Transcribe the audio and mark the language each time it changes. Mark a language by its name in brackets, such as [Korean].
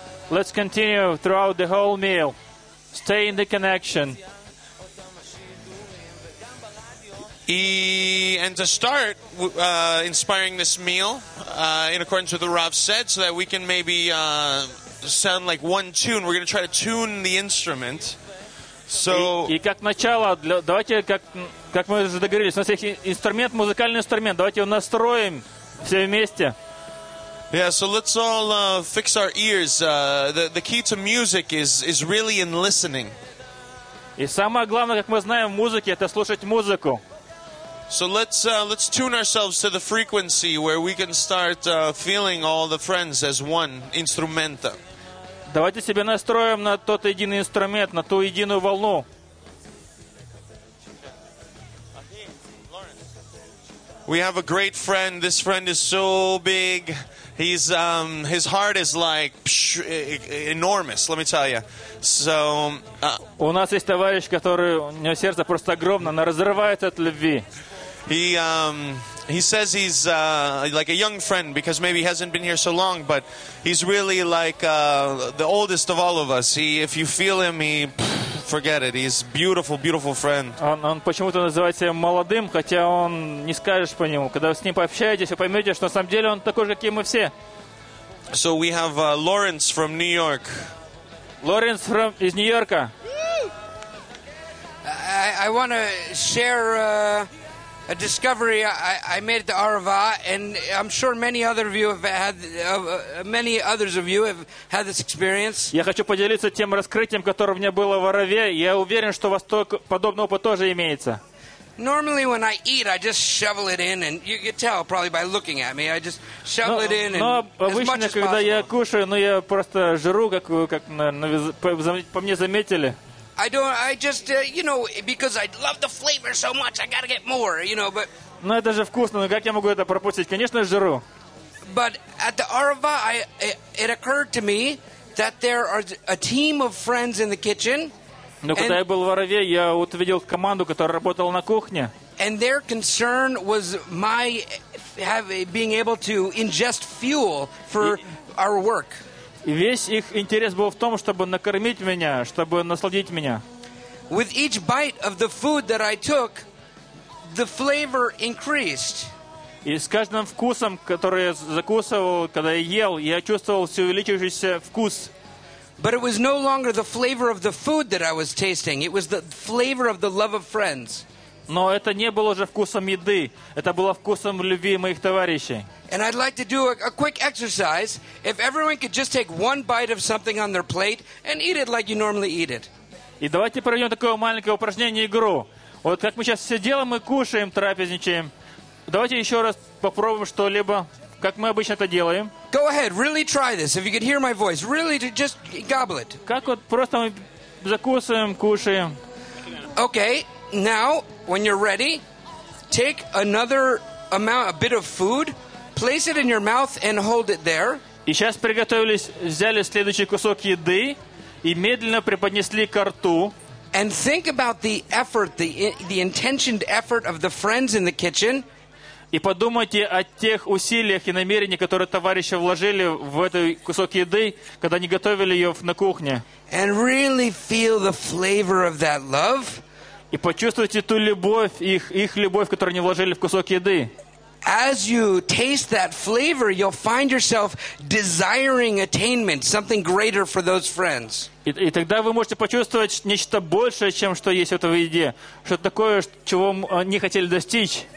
[English] Let's continue throughout the whole meal. Stay in the connection. And to start inspiring this meal, in accordance with what Rob said, so that we can maybe sound like one tune. We're going to try to tune the instrument. So. [Russian] И как начало, давайте как мы уже договорились, у нас есть инструмент, музыкальный инструмент. Давайте его настроим все вместе. [English] Yeah, so let's all fix our ears. The key to music is really in listening. [Russian] И самое главное, как мы знаем, в музыке это слушать музыку. [English] So let's tune ourselves to the frequency where we can start feeling all the friends as one instrumento. [Russian] Давайте себя настроим на тот единый инструмент, на ту единую волну. [English] We have a great friend. This friend is so big. He's his heart is like enormous. Let me tell you. So. [Russian] У нас есть товарищ, который у него сердце просто огромное, оно разрывается от любви. [English] He says he's like a young friend because maybe he hasn't been here so long, but he's really like the oldest of all of us. If you feel him, forget it. He's beautiful, beautiful friend. [Russian] Он почему-то называет себя молодым, хотя он не скажешь по нему. Когда вы с ним пообщаетесь, вы поймете, что на самом деле он такой же, как и мы все. [English] So we have Lawrence from New York. [Russian] Lawrence from из Нью-Йорка. [English] I want to share a discovery I made at the Arava, and I'm sure many other of you have had, many others of you have had this experience. [Russian] Я хочу поделиться тем раскрытием, которое у меня было в Араве. Я уверен, что у вас подобный опыт тоже имеется. [English] Normally, when I eat, I just shovel it in, and you could tell probably by looking at me. I just shovel it in, [Russian] но обычно, когда я кушаю, но я просто жру, как по мне заметили. [English] I just because I love the flavor so much, I gotta get more, you know. But [Russian] ну это же вкусно, но как я могу это пропустить? Конечно, жру. [English] But at the Arava, it occurred to me that there are a team of friends in the kitchen. [Russian] Но когда я был в Арове, я увидел команду, которая работала на кухне. [English] And their concern was my being able to ingest fuel for our work. [Russian] И весь их интерес был в том, чтобы накормить меня, чтобы насладить меня. [English] With each bite of the food that I took, the flavor increased. [Russian] И с каждым вкусом, который я закусывал, когда я ел, я чувствовал все увеличивающийся вкус. [English] But it was no longer the flavor of the food that I was tasting. It was the flavor of the love of friends. [Russian] Но это не было уже вкусом еды. Это было вкусом любви моих товарищей. [English] And I'd like to do a quick exercise. If everyone could just take one bite of something on their plate and eat it like you normally eat it. [Russian] И давайте проведем такое маленькое упражнение, игру. Вот как мы сейчас все делаем, мы кушаем, трапезничаем. Давайте еще раз попробуем что-либо. Как мы обычно это делаем? [English] Go ahead, really try this. If you could hear my voice, really just gobble it. [Russian] Как вот просто мы закусываем, кушаем. [English] Okay, now when you're ready, take another amount, a bit of food, place it in your mouth and hold it there. [Russian] И сейчас приготовились, взяли следующий кусок еды и медленно преподнесли ко рту. [English] And think about the effort, the intentioned effort of the friends in the kitchen. [Russian] И подумайте о тех усилиях и намерениях, которые товарищи вложили в этот кусок еды, когда они готовили ее на кухне. [English] And really feel the flavor of that love. [Russian] И почувствуйте ту любовь, их любовь, которую они вложили в кусок еды. [English] As you taste that flavor, you'll find yourself desiring attainment, something greater for those friends. [Russian] И тогда вы можете почувствовать нечто большее, чем что есть в этой еде. Что-то такое, чего они хотели достичь.